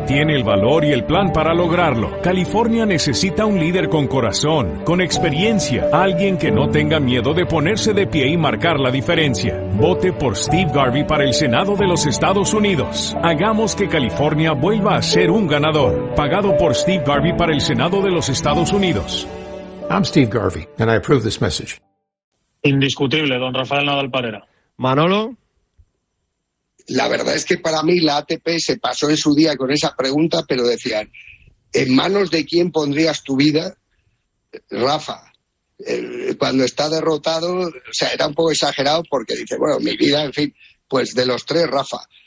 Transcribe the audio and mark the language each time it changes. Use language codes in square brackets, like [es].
[es] Tiene el valor y el plan para lograrlo. California necesita un líder con corazón, con experiencia, alguien que no tenga miedo de ponerse de pie y marcar la diferencia. Vote por Steve Garvey para el Senado de los Estados Unidos. Hagamos que California vuelva a ser un ganador. Pagado por Steve Garvey para el Senado de los Estados Unidos. [en] I'm Steve Garvey and I approve this message. [es] Indiscutible, don Rafael Nadal Parera. Manolo. La verdad es que para mí la ATP se pasó en su día con esa pregunta, pero decían, ¿en manos de quién pondrías tu vida? Rafa, cuando está derrotado, o sea, era un poco exagerado porque dice, bueno, mi vida, en fin, pues de los tres, Rafa.